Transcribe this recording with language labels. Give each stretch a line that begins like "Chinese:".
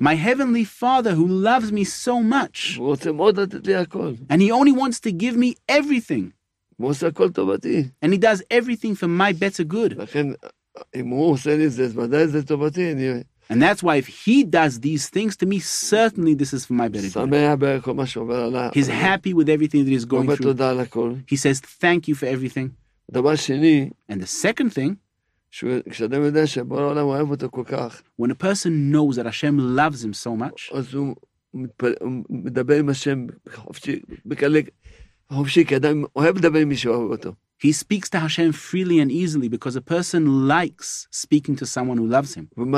English: My heavenly father who loves me so much.
Hebrew: הוא רוצה מאוד לתת לי הכל.
English: And he only wants to give me everything.
Hebrew: הוא עושה הכל טובתי.
English: And he does everything for my better good.
Hebrew: לכן, אם הוא עושה לי זה, ודאי זה טובתי, אני...
English: And that's why if he does these things to me, certainly this is for my better good. He's happy with everything that he's going through. He says, thank you for everything. And the second thing, when a person knows that Hashem loves him so much, he speaks to Hashem freely and easily because a person likes speaking to someone who loves him.